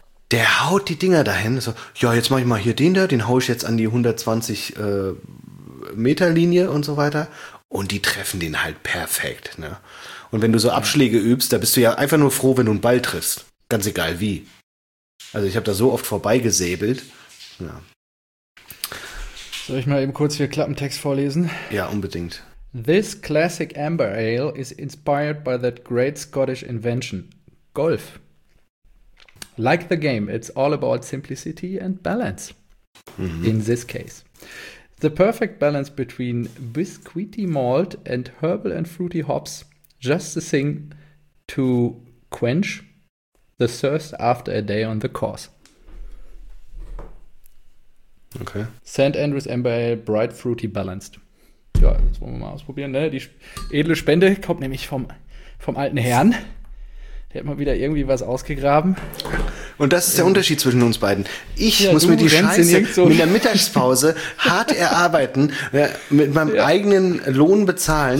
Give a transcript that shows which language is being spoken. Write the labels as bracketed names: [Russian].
[German] Der haut die Dinger dahin. So, ja, jetzt mache ich mal hier den haue ich jetzt an die 120 Meter Linie und so weiter. Und die treffen den halt perfekt. Ne? Und wenn du so Abschläge übst, da bist du ja einfach nur froh, wenn du einen Ball triffst. Ganz egal wie. Also ich habe da so oft vorbeigesäbelt. Ja. Soll ich mal eben kurz hier Klappentext vorlesen? Ja, unbedingt. [English] This classic amber ale is inspired by that great Scottish invention, golf. Like the game, it's all about simplicity and balance. Mm-hmm. In this case, the perfect balance between biscuity malt and herbal and fruity hops, just the thing to quench the thirst after a day on the course. Okay. St. Andrews Amber Ale, bright, fruity, balanced. [German] Ja, das wollen wir mal ausprobieren, ne? Die edle Spende kommt nämlich vom alten Herrn. Der hat mal wieder irgendwie was ausgegraben. Und das ist der Unterschied zwischen uns beiden. Ich muss mir die Scheiße mit der Mittagspause hart erarbeiten, mit meinem eigenen Lohn bezahlen.